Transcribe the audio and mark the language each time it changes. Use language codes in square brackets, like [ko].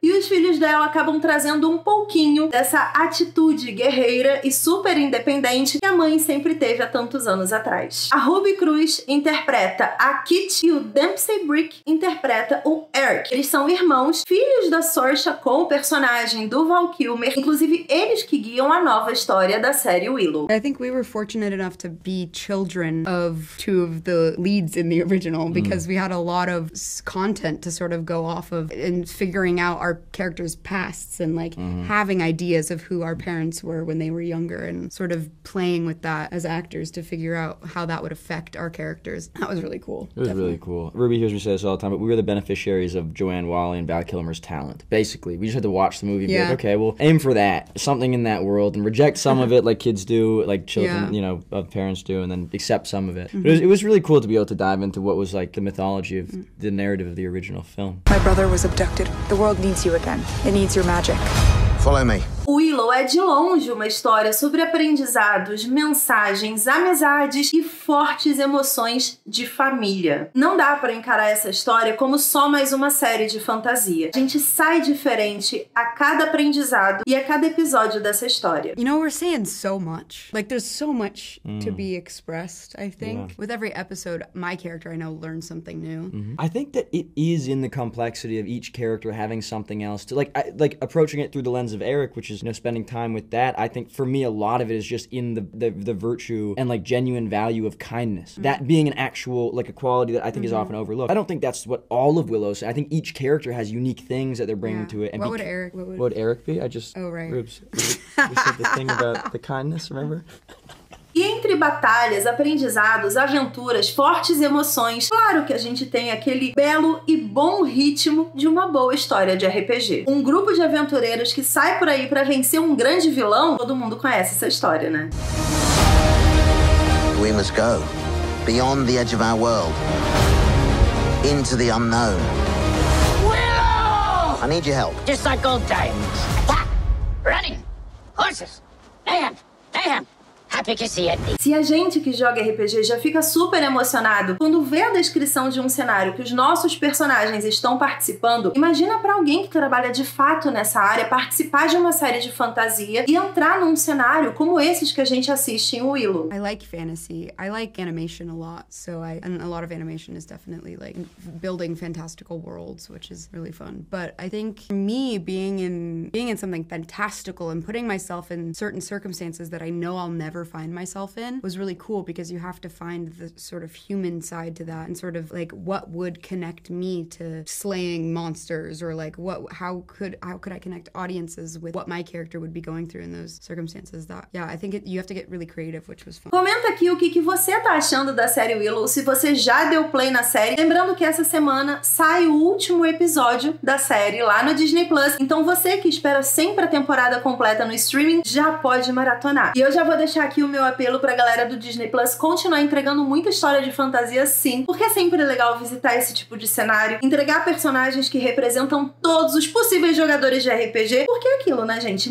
[pt] E os filhos dela acabam trazendo um pouquinho dessa atitude guerreira e super independente que a mãe sempre teve há tantos anos atrás. A Ruby Cruz interpreta a Kit e o Dempsey Brick interpreta o Eric. Eles são irmãos, filhos da Sorcha com o personagem do Val Kilmer, inclusive eles que guiam a nova história da série Willow. [en] I think we were fortunate enough to be children of two of the leads in the original because we had a lot of content to sort of go off of and figuring out our characters' pasts and like having ideas of who our parents were when they were younger and sort of playing with that as actors to figure out how that would affect our characters. That was really cool. It was definitely really cool. Ruby hears me say this all the time, but we were the beneficiaries of Joanne Whalley and Val Kilmer's talent. Basically, we just had to watch the movie and be like, okay, well, aim for that. Something in that world and reject some of it like kids do, like children, you know, parents do, and then accept some of it. But it was really cool to be able to dive into what was like the mythology of the narrative of the original film. My brother was abducted. The world needs you again. It needs your magic. Follow me. [pt] Willow é de longe uma história sobre aprendizados, mensagens, amizades e fortes emoções de família. Não dá pra encarar essa história como só mais uma série de fantasia. A gente sai diferente a cada aprendizado e a cada episódio dessa história. [en] You know, we're saying so much. Like, there's so much to be expressed, I think. Yeah. With every episode, my character, I know, learns something new. Mm-hmm. I think that it is in the complexity of each character having something else to, like, approaching it through the lens of Eric, which is you know, spending time with that. I think for me, a lot of it is just in the virtue and like genuine value of kindness. Mm-hmm. That being an actual, like a quality that I think mm-hmm. is often overlooked. I don't think that's what all of Willow said. I think each character has unique things that they're bringing yeah. to it. And what would Eric be? I just... Oh, right. Rubes, you said the thing about the kindness, remember? [pt] E entre batalhas, aprendizados, aventuras, fortes emoções, claro que a gente tem aquele belo e bom ritmo de uma boa história de RPG. Um grupo de aventureiros que sai por aí pra vencer um grande vilão, todo mundo conhece essa história, né? [en] We must go beyond the edge of our world, into the unknown. Willow! I need your help. Just like old times. Running! Horses! Mayhem! Mayhem! [pt] Se a gente que joga RPG já fica super emocionado quando vê a descrição de um cenário que os nossos personagens estão participando, imagina pra alguém que trabalha de fato nessa área participar de uma série de fantasia e entrar num cenário como esses que a gente assiste em Willow. [en] I like fantasy. I like animation a lot. So I and a lot of animation is definitely like building fantastical worlds, which is really fun. But I think me being in something fantastical and putting myself in certain circumstances that I know I'll never find myself in was really cool because you have to find the sort of human side to that and sort of like what would connect me to slaying monsters or like what how could I connect audiences with what my character would be going through in those circumstances that yeah I think it, you have to get really creative, which was fun. [pt] Comenta aqui o que você tá achando da série Willow, se você já deu play na série. Lembrando que essa semana sai o último episódio da série lá no Disney Plus, então você que espera sempre a temporada completa no streaming já pode maratonar. E eu já vou deixar aqui o meu apelo pra galera do Disney Plus continuar entregando muita história de fantasia, sim, porque é sempre legal visitar esse tipo de cenário, entregar personagens que representam todos os possíveis jogadores de RPG, porque é aquilo, né, gente?